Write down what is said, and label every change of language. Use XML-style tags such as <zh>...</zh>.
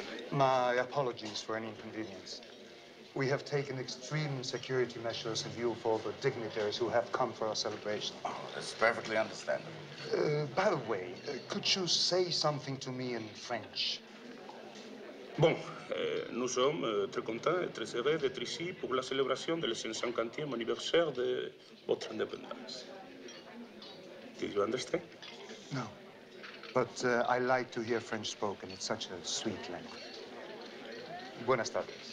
<en>My apologies for any inconvenience. We have taken extreme security measures in view of all the dignitaries who have come for our celebration. Oh, that's perfectly understandable. By the way, could you say something to me in French?</en> <fr>Bon, nous sommes très contents et très heureux d'être ici pour la célébration de le 150e anniversaire de votre indépendance.</fr> <en>Did you understand? No, but I like to hear French spoken. It's such a sweet language.</en> <es>Buenas tardes.</es>